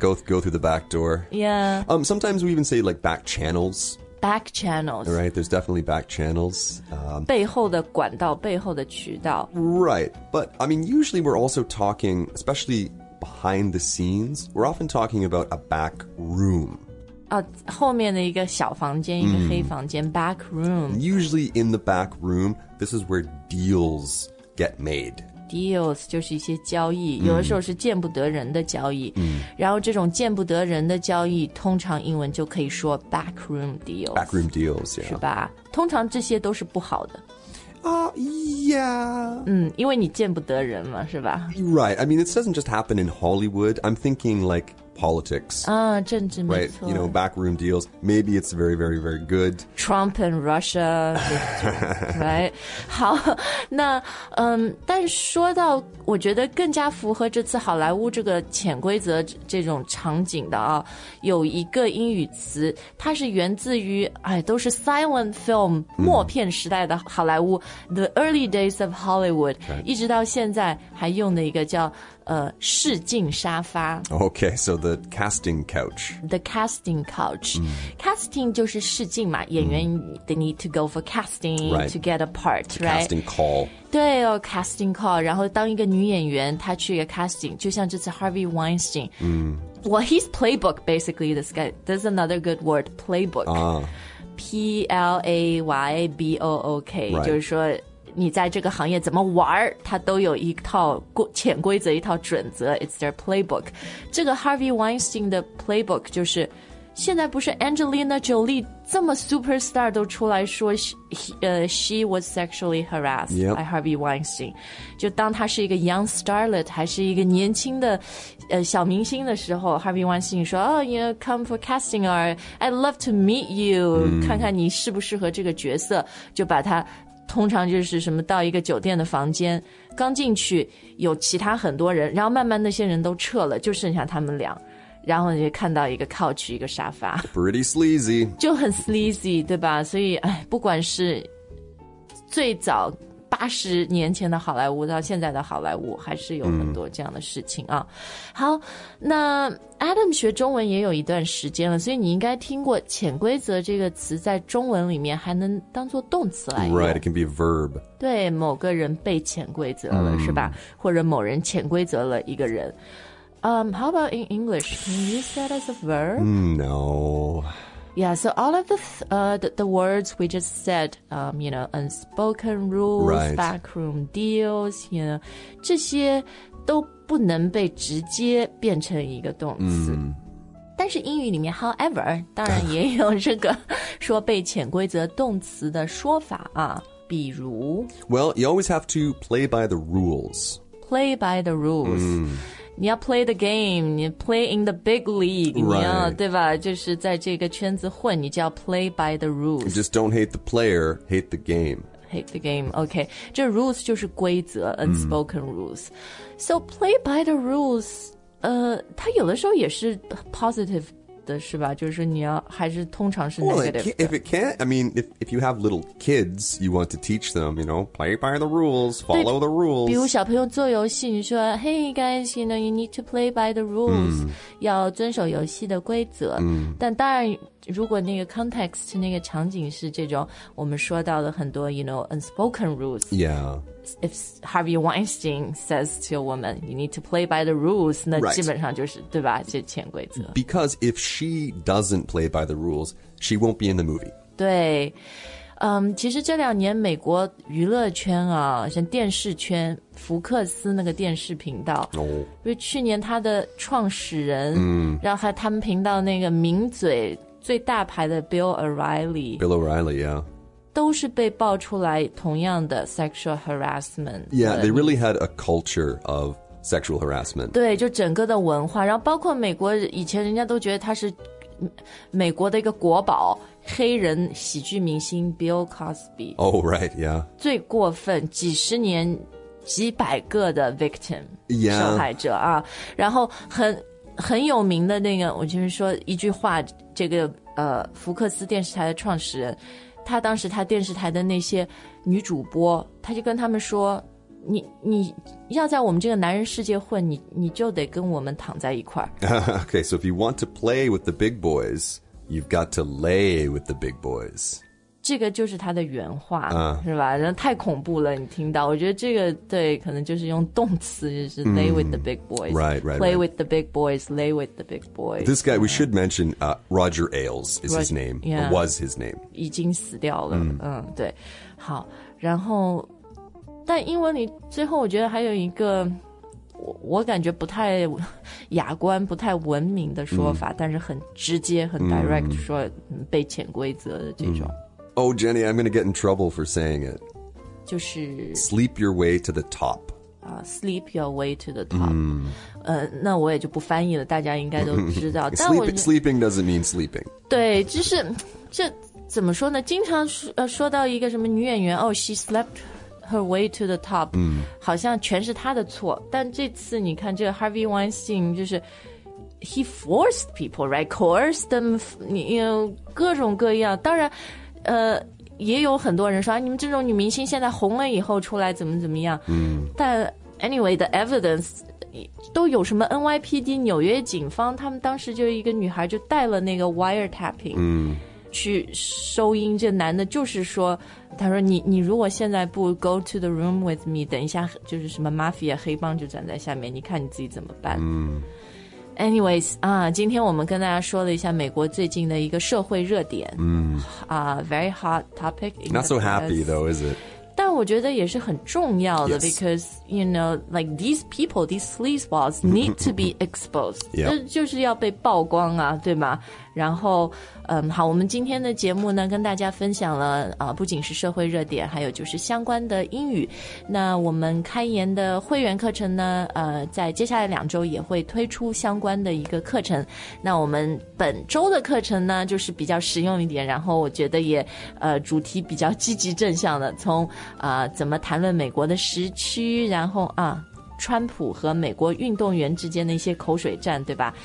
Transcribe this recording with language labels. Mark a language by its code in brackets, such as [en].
[en] go through the back door Yeah、 Sometimes we even say like back channels Back channels Right, there's definitely back channels、 [zh] 背后的管道背后的渠道 [en] Right, but I mean usually we're also talking Especially behind the scenes We're often talking about a back room how many you got shout fangjin hey fangjin back room usually in the back room this is where deals get made [zh] deals 就是一些交易、mm. 有的时候是见不得人的交易、mm. 然后这种见不得人的交易通常英文就可以说 back room deals [en] back room deals、yeah. [zh] 是吧通常这些都是不好的 [en] yeah. [zh] 因为你见不得人嘛是吧 [en] Right. I mean, it doesn't just happen in Hollywood. I'm thinking like politics. [zh] 政治没错。 [en] Right, you know, backroom deals. Maybe it's very, very, very good. Trump and Russia. right. [zh] 好那、但说到我觉得更加符合这次好莱坞这个潜规则这种场景的啊有一个英语词它是源自于哎都是 silent film, 默片时代的好莱坞。 [en] The early days of Hollywood,、 right. [zh] 一直到现在还用的一个叫试镜沙发。 [en] Okay, so the casting couch. The casting couch.、Mm. [zh] Casting 就是试镜嘛、mm. [en] 演员 they need to go for casting、 right. to get a part,、 the、 right? Casting call. [zh] 对哦 [en] casting call. [zh] 然后当一个女演员她去一个 casting, 就像这次 Harvey Weinstein.、 Mm. [en] Well, he's playbook, basically, this guy. There's another good word, playbook.、P-L-A-Y-B-O-O-K、 right. [zh] 就是说你在这个行业怎么玩它都有一套潜规则一套准则 [en] It's their playbook [zh] 这个 Harvey Weinstein 的 playbook 就是现在不是 Angelina Jolie 这么 superstar 都出来说 [en] she was sexually harassed、 yep. [zh] by Harvey Weinstein 就当她是一个 young starlet 还是一个年轻的、小明星的时候 Harvey Weinstein 说 [en] Oh, you know, come for casting or I'd love to meet you、 [zh] mm. 看看你适不适合这个角色就把她通常就是什么到一个酒店的房间刚进去有其他很多人然后慢慢那些人都撤了就剩下他们俩然后就看到一个 couch 一个沙发 [en] Pretty sleazy [zh] 就很 sleazy 对吧所以哎，不管是最早八十年前的好莱坞到现在的好莱坞还是有很多这样的事情啊、嗯、好那 Adam 学中文也有一段时间了所以你应该听过潜规则这个词在中文里面还能当做动词来用 [en] Right, it can be a verb [zh] 对某个人被潜规则了、嗯、是吧或者某人潜规则了一个人、 [en] How about in English? Can you use that as a verb? No Yeah, so all of the words we just said, you know, unspoken rules,、 right. backroom deals, you know, [zh] 这些都不能被直接变成一个动词。 Mm. 但是英语里面 however 当然也有这个说被潜规则动词的说法啊比如 [en] Well, you always have to play by the rules. Play by the rules.、Mm. [zh] 你要 [en] play the game, 你 play in the big league,、 right. [zh] 你要对吧就是在这个圈子混你就要 [en] play by the rules. Just don't hate the player, hate the game. Hate the game, okay. [zh] 这 rules 就是规则 unspoken rules. [en] So play by the rules, [zh] 它有的时候也是 positive 的是吧就是说你要还是通常是 negative 的。 [en] Well, if it can't, I mean, if you have little kids, you want to teach them, you know, play by the rules, follow the rules. [zh] 比如小朋友做游戏你说 [en] Hey guys, you know, you need to play by the rules,、 [zh] mm. 要遵守游戏的规则、mm. 但当然如果那个 context 那个场景是这种我们说到的很多 [en] you know unspoken rules yeah if Harvey Weinstein says to a woman you need to play by the rules [zh] 那、 [en] right. [zh] 基本上就是对吧就潜规则 [en] because if she doesn't play by the rules she won't be in the movie [zh] 对、其实这两年美国娱乐圈啊像电视圈福克斯那个电视频道、 oh. 因为去年他的创始人、mm. 让他们频道那个名嘴最大牌的 Bill O'Reilly, [en] yeah. [zh] 都是被爆出来同样的 sexual harassment. [en] Yeah, they really had a culture of sexual harassment. [zh] 对，就整个的文化，然后包括美国以前人家都觉得他是美国的一个国宝，黑人喜剧明星 Bill Cosby. [en] Oh, right, yeah. [zh] 最过分，几十年几百个的 victim,、 [en] yeah. [zh] 受害者啊，然后很有名的那个，我就是说一句话，这个福克斯电视台的创始人，他当时他电视台的那些女主播，他就跟他们说，你要在我们这个男人世界混，你就得跟我们躺在一块儿。 [en] Okay, so if you want to play with the big boys, you've got to lay with the big boys. [zh] 这个就是他的原话，是吧？然后太恐怖了，你听到？我觉得这个对，可能就是用动词，就是 [en] lay with the big boys, right, play with the big boys, lay with the big boys. This guy, we should mention, Roger Ailes is his name, was his name. [zh] 已经死掉了，对。好，然后，但英文里最后我觉得还有一个，我感觉不太雅观、不太文明的说法，但是很直接、很 direct 说被潜规则的这种。 [en] Oh, Jenny, I'm going to get in trouble for saying it. [zh] 就是 [en] Sleep your way to the top. Sleep your way to the top.、 [zh] 那我也就不翻译了，大家应该都知道。 [en] sleeping doesn't mean sleeping. [zh] 对，就是这怎么说呢？经常说到一个什么女演员，哦、oh, ， [en] she slept her way to the top，、 [zh] 好像全是她的错。但这次你看，这个 Harvey Weinstein 就是。 He forced people, right? Coerced them, you know, 各种各样。当然，也有很多人说，你们这种女明星现在红了以后出来怎么怎么样。但 anyway, [en] the evidence [zh] 都有什么 NYPD 纽约警方，他们当时就一个女孩就带了那个 wiretapping，去收音。这男的就是说，他说你如果现在不 [en] go to the room with me， [zh] 等一下就是什么 mafia 黑帮就站在下面，你看你自己怎么办。 Anyways, 今天我们跟大家说了一下美国最近的一个社会热点。 [en] Very hot topic. Not so happy though, is it? [zh] 但我觉得也是很重要的、 [en] yes. because, you know, like these people, these sleazeballs need to be exposed. 、yep. [zh] 就是要被曝光啊，对吗？然后好，我们今天的节目呢跟大家分享了不仅是社会热点，还有就是相关的英语。那我们开言的会员课程呢在接下来两周也会推出相关的一个课程。那我们本周的课程呢就是比较实用一点，然后我觉得也主题比较积极正向的，从怎么谈论美国的时区，然后川普和美国运动员之间的一些口水战，对吧？